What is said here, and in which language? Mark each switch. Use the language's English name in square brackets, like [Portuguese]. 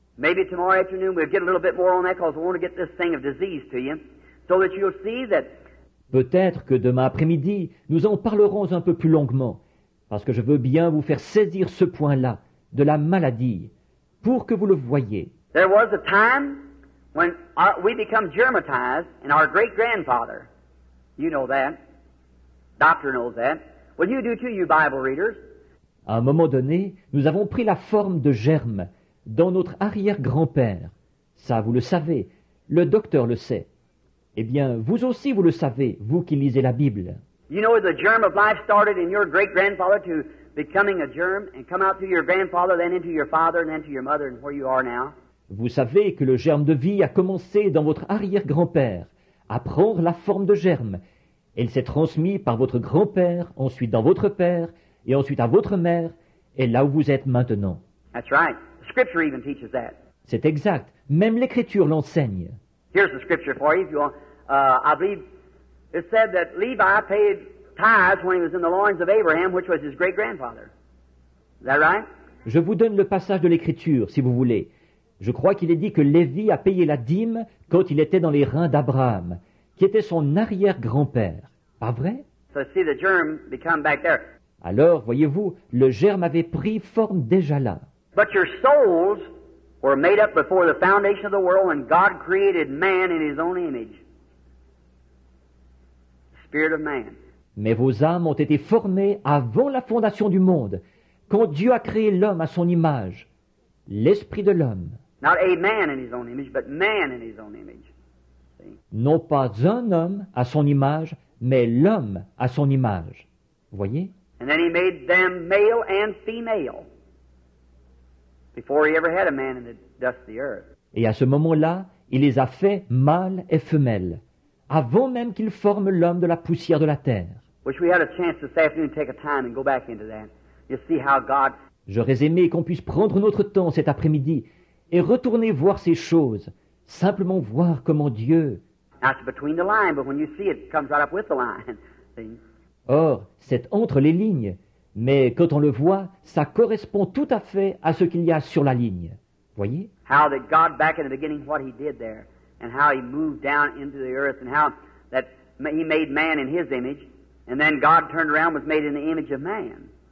[English] Maybe tomorrow afternoon we'll get a little bit more on that because we want to get this thing of disease to you, so that you'll see that. [French] Peut-être que demain après-midi nous en parlerons un peu plus longuement, parce que je veux bien vous faire saisir ce point-là de la maladie, pour que vous le voyez. [English] There was a time when we become germatized, and our great grandfather, you know that, doctor knows that. Well, you do too, you Bible readers. [French] À un moment donné, nous avons pris la forme de germe. Dans notre arrière-grand-père, ça vous le savez, le docteur le sait. Eh bien, vous aussi vous le savez, vous qui lisez la Bible. [English] You know the germ of life started in your great-grandfather to becoming a germ and come out to your grandfather, then into your father, and then to your mother, and where you are now. [French] Vous savez que le germe de vie a commencé dans votre arrière-grand-père à prendre la forme de germe. Il s'est transmis par votre grand-père, ensuite dans votre père, et ensuite à votre mère, et là où vous êtes maintenant. [English] That's right. Scripture even teaches that. [French] C'est exact. Même l'Écriture l'enseigne. [English] Here's the scripture for you, if you want. I believe it said that Levi paid tithes when he was in the loins of Abraham, which was his great-grandfather. Is that right? [French] Je vous donne le passage de l'Écriture, si vous voulez. Je crois qu'il est dit que Lévi a payé la dîme quand il était dans les reins d'Abraham, qui était son arrière-grand-père. Pas vrai? [English] So see the germ become back there. [French] Alors, voyez-vous, le germe avait pris forme déjà là. [English] But your souls were made up before the foundation of the world when God created man in his own image. Spirit of man. [French] Mais vos âmes ont été formées avant la fondation du monde, quand Dieu a créé l'homme à son image, l'esprit de l'homme. [English] Not a man in his own image, but man in his own image. See? [French] Non pas un homme à son image, mais l'homme à son image. Voyez? [English] And then he made them male and female. Before he ever had a man in the dust of the earth. [French] Et à ce moment-là, il les a fait mâle et femelle, avant même qu'il forme l'homme de la poussière de la terre. [English] Wish we had a chance this afternoon to take a time and go back into that. You see how God. [French] J'aurais aimé qu'on puisse prendre notre temps cet après-midi et retourner voir ces choses, simplement voir comment Dieu. [English] That's between the lines, but when you see it, it comes right up with the line. See? [French] Or, c'est entre les lignes. Mais quand on le voit, ça correspond tout à fait à ce qu'il y a sur la ligne. Voyez? [English] How that God back in the beginning what he did there and how he moved down into the earth and how that he made man in his image and then God turned around and was made in the image of man.